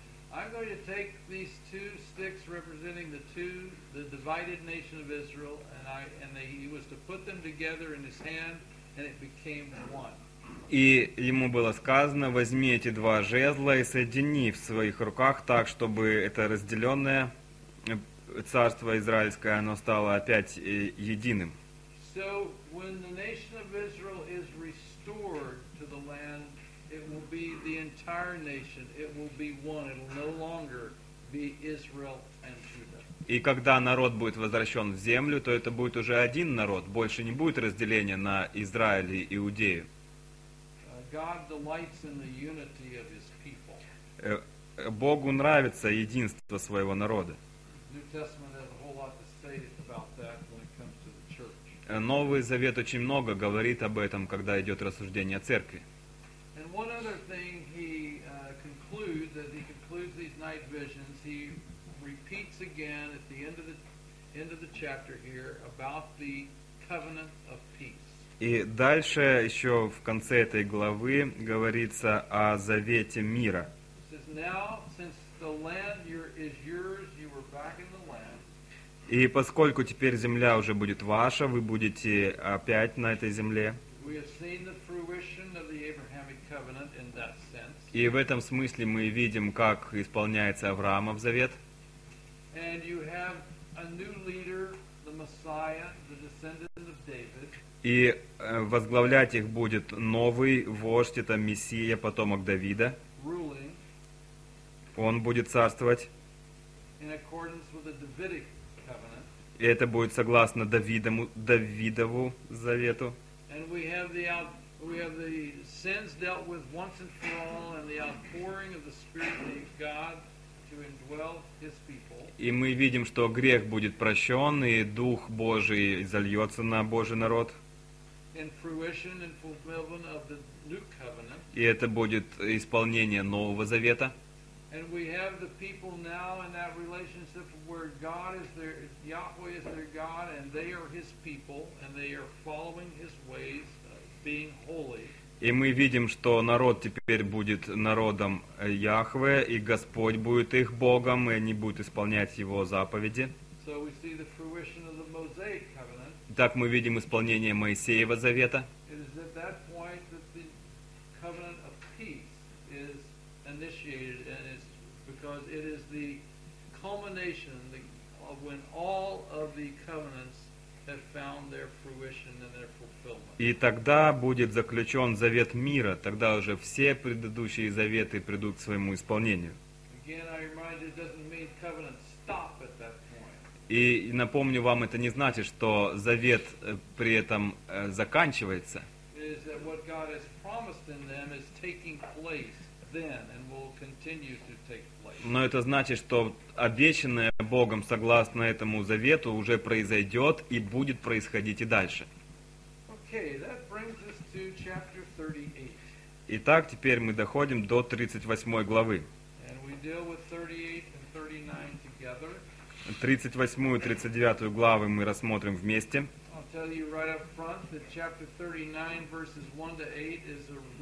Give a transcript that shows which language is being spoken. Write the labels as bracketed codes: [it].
[en] I'm going to take these two sticks representing the divided nation of Israel, he was to put them together in his hand, and it became one. [ru] И ему было сказано: возьми эти два жезла и соедини в своих руках так, чтобы это разделенное царство израильское оно стало опять единым. [en] So when the nation of Israel is restored to the land. It will be the entire nation. It will be one. It will no longer be Israel and Judah. [ru] И когда народ будет возвращен в землю, то это будет уже один народ. Больше не будет разделения на Израиль и Иудею. [en] God delights in the unity of His people. [ru] Богу нравится единство своего народа. [en] New Testament has a whole lot to say about that when it comes to the church. [ru] Новый Завет очень много говорит об этом, когда идет рассуждение о церкви. [en] And one other thing he concludes, as he concludes these night visions, he repeats again at the end of the chapter here about the covenant of peace. [ru] И дальше еще в конце этой главы говорится о завете мира. [en] It says, now, since the land is yours, you were back in the land. [ru] И поскольку теперь земля уже будет ваша, вы будете опять на этой земле. [en] We have seen the fruition of the Abrahamic covenant in that sense. [ru] И в этом смысле мы видим, как исполняется Авраамов завет. [en] And you have a new leader, the Messiah, the descendant of David. [ru] И возглавлять их будет новый вождь, это Мессия, потомок Давида. [en] Ruling. [ru] Он будет царствовать. [en] In accordance with the Davidic covenant. [ru] И это будет согласно Давидову завету. [en] And we have the sins dealt with once and for all, and the outpouring of the Spirit of God to indwell His people. [ru] И мы видим, что грех будет прощен, и Дух Божий изольется на Божий народ. [en] In fruition and fulfillment of the new covenant. [ru] И это будет исполнение Нового Завета. [en] And we have the people now in that relationship where God is their, Yahweh is their God, and they are His people, and they are following His ways, being holy. [ru] И мы видим, что народ теперь будет народом Яхве, и Господь будет их Богом, и они будут исполнять Его заповеди. [en] So we see the fruition of the Mosaic covenant. [ru] Так мы видим исполнение Моисеева завета. [en] It is at that point that the covenant of peace is initiated, and it's because it is the culmination of when all of the covenants have found their fruition and their fulfillment. [ru] И тогда будет заключен завет мира. Тогда уже все предыдущие заветы придут к своему исполнению. [en] Again, I remind you, it doesn't mean covenant stop at that point. [ru] И напомню вам, это не значит, что завет при этом заканчивается. [en] It is that what God has promised in them is taking place. Then and will continue to take place. [ru] Но это значит, что обещанное Богом согласно этому завету уже произойдет и будет происходить и дальше. [en] Okay, that brings us to chapter 38. [ru] Итак, теперь мы доходим до 38 главы. [en] And we deal with 38 and 39 together. [ru] 38 и 39 главы мы рассмотрим вместе. [en] I'll tell you right up front that chapter 39 verses 1 to 8 is a